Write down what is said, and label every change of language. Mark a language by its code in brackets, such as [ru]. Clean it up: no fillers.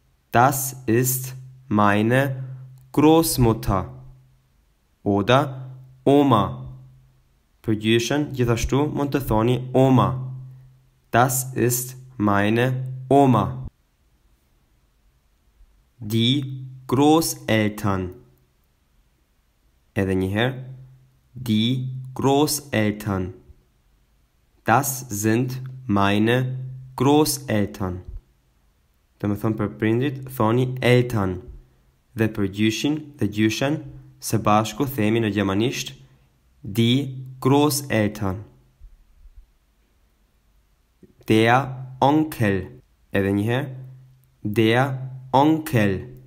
[de] Das ist meine Großmutter. Oder Oma. [sq] Për gjyshen, gjithashtu mund të thoni Oma. [de] Das ist meine Oma. Die Großeltern. [sq] Edhe njëherë. [de] Die Großeltern. Das sind meine Großeltern. [sq] Dhe me thonë për prindrit, thoni Eltern. Dhe për gjyshin dhe gjyshen, se bashku themi në gjermanisht, die Großeltern. [de] Der Onkel. [sq] Edhe njëherë. [de] Der Onkel.